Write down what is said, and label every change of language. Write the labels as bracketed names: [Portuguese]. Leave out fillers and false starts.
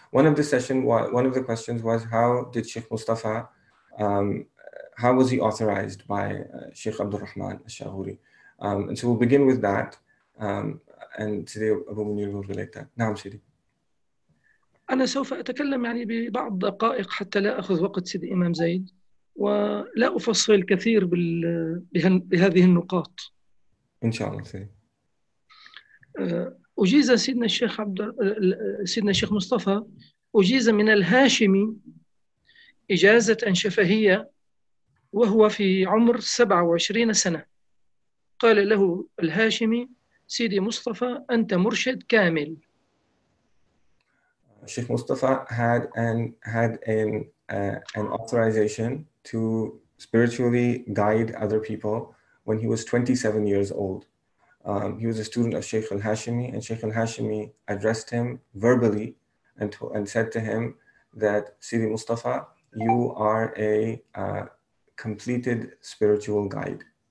[English] One of the questions was, how did Sheikh Mustafa, how was he authorized by Sheikh Abd al-Rahman al-Shaghouri? And so we'll begin with that, and today Abu Munir will relate that. [Arabic] Naam, Sidi. أنا سوف أتكلم يعني ببعض دقائق حتى لا أخذ وقت سيدي إمام زيد ولا أفصل كثير بهذه النقاط. إن شاء الله سيدي. أجيز سيدنا الشيخ سيدنا الشيخ مصطفى أجيز من الهاشمي إجازة شفهية وهو في عمر 27 سنة قال له الهاشمي سيدي مصطفى أنت مرشد كامل. [English] الشيخ مصطفى had an authorization to spiritually guide other people when he was 27 years old. He was a student of Shaykh al-Hashimi, and Shaykh al-Hashimi addressed him verbally and said to him that, Sidi Mustafa, you are a completed spiritual guide.